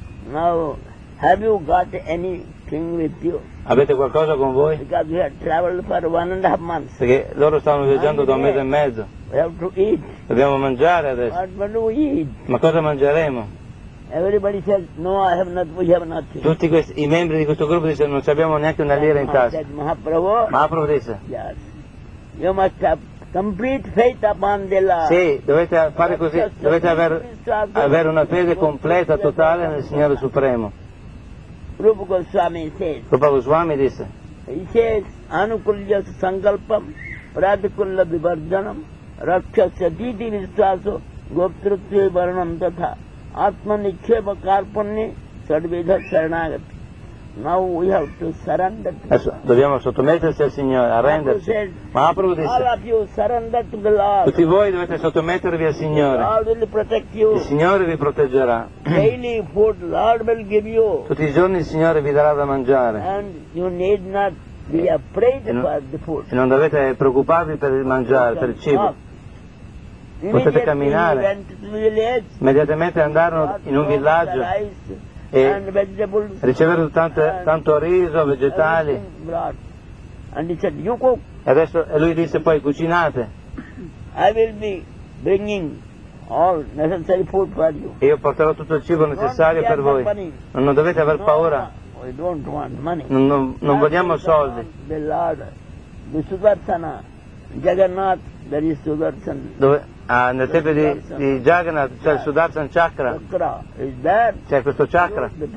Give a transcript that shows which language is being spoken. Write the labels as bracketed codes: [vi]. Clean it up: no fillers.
[en] Now, have you got anything with you? [it] Avete qualcosa con voi? [en] Because we have traveled for 1.5 months. [it] Perché loro stavano viaggiando da un mese e mezzo. [en] We have to eat. [it] Dobbiamo mangiare adesso. [en] What will we eat? [it] Ma cosa mangeremo? [en] Everybody says, no, I have not, we have nothing. [it] Tutti questi, i membri di questo gruppo dicono, non abbiamo neanche una lira in tasca. [en] Mahaprabhu. [it] Mahaprabhu disse. [en] Yes. You must have complete faith upon the Lord. [it] Sì, dovete fare così, dovete avere una fede completa, totale nel Signore Supremo. [en] Rupa Goswami says. [it] Rupa Goswami disse. [sa] He says, Anukulya Sangalpam, Pratikulla Vibarjanam, Rakshasya Diti Vistaso, Gopritri Varanam Tatha, Atmanikheva Karpani, Sarvedha Saranagati. [en] Now we have to surrender. [it] Dobbiamo sottometterci al Signore, arrendersi. Mahaprabhu disse. [en] All of you surrender to the Lord. [it] Tutti voi dovete sottomettervi al Signore. [en] The Lord will protect you. [it] Il Signore vi proteggerà. [en] Daily food Lord will give you. [it] Tutti i giorni il Signore vi darà da mangiare. [en] And you need not be afraid for the food. [it] E non dovete preoccuparvi per il mangiare, per il cibo. Potete camminare. Immediatamente andarono in un villaggio. E ricevere tanto riso, vegetali. [en] And he said, you cook. [it] E adesso lui disse poi cucinate. [en] I will be bringing all necessary food for you. [it] E io porterò tutto il cibo necessario per voi. [en] Money. [it] Non dovete aver paura. [en] We don't want money. [it] Non vogliamo soldi. [en] The Lord, the Sudarsana, Jagannath, there is Sudarsana. [it] Dove? Ah, nel tempio di Jagannath c'è il Sudarsana Chakra. C'è questo chakra.